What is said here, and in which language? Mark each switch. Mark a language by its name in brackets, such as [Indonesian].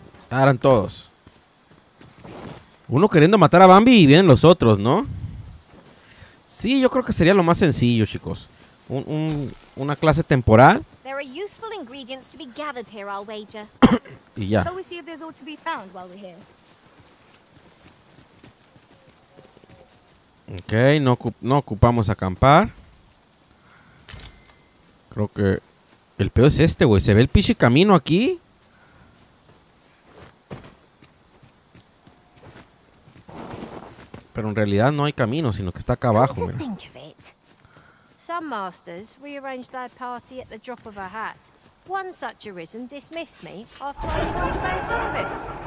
[Spanish] Eran todos. Uno queriendo matar a Bambi y vienen los otros, ¿no? Sí, yo creo que sería lo más sencillo, chicos. Una clase temporal. [English] There are useful ingredients to be gathered here, I'll wager. [Spanish] Y ya. [English] Shall we see if there's all to be found while we're here? [Spanish] Okay, no ocupamos acampar. Creo que el peor es este, güey. ¿Se ve el pinche camino aquí? Pero en realidad no hay camino, sino que está acá abajo, güey. [English] Some masters rearrange their party at the drop of a hat. One such arisen dismissed me after I got their service.